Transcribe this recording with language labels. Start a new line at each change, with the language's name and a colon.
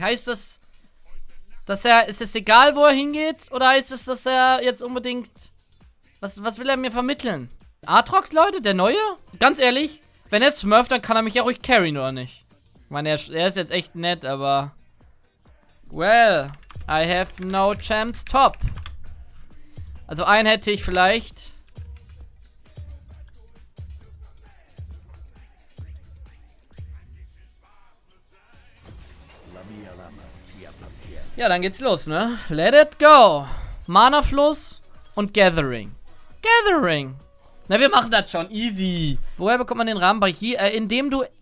German: Heißt das, dass er, ist es egal, wo er hingeht? Oder heißt es, dass er jetzt unbedingt, was will er mir vermitteln? Aatrox, Leute, der Neue? Ganz ehrlich, wenn er smurft, dann kann er mich ja ruhig carryen, oder nicht? Ich meine, er ist jetzt echt nett, aber...
English: Well, I have no champs top.
German: Also einen hätte ich vielleicht. Ja, dann geht's los, ne?
English: Let it go.
German: Mana-Fluss und Gathering. Gathering. Na, wir machen das schon. Easy. Woher bekommt man den Rahmen? Hier, indem du...